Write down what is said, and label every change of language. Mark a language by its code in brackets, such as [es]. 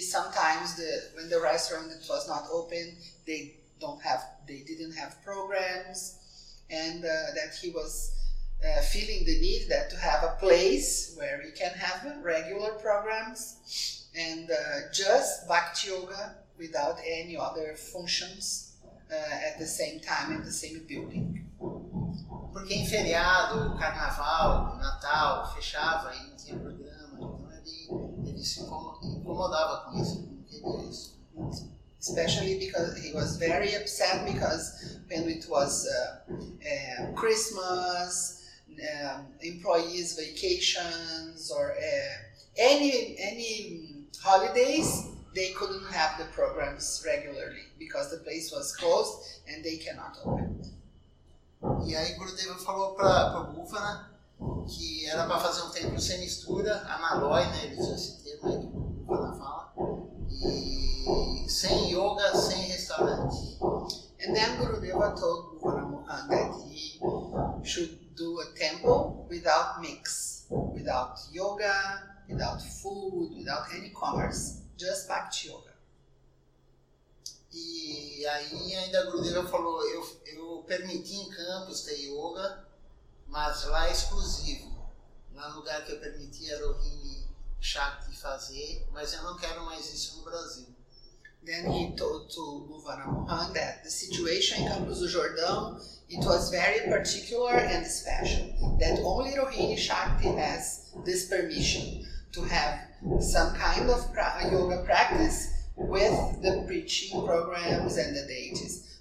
[en] Sometimes when the restaurant was not open, they didn't have programs, and that he was feeling the need that to have a place where he can have regular programs and just Bhakti Yoga without any other functions at the same time in the same building. [pt] Porque em feriado, carnaval, Natal, fechava e não tinha programa, então ele se incomodava com isso, não queria isso. [en] Especially because he was very upset because when it was Christmas, employees vacations or any holidays, they couldn't have the programs regularly because the place was closed and they cannot open. [pt] E aí Gurudeva falou para Bhuvana que era para fazer um templo sem mistura, analói, né, ele usou esse termo aí que Bhuvana fala, e sem yoga, sem restaurante. [en] And then Gurudeva told Bhuvana Mohan that he should do a temple without mix, without yoga, without food, without any commerce, just Bhakti Yoga. [pt] E aí ainda a Gurudeva falou, eu permiti em campus ter yoga, mas lá é exclusivo. No lugar que eu permiti a Rohini Shakti fazer, mas eu não quero mais isso no Brasil. [en] Then he told to Bhuvana Mohan that the situation in Campos do Jordão, it was very particular and special, that only Rohini Shakti has this permission to have some kind of yoga practice with the preaching programs and the deities.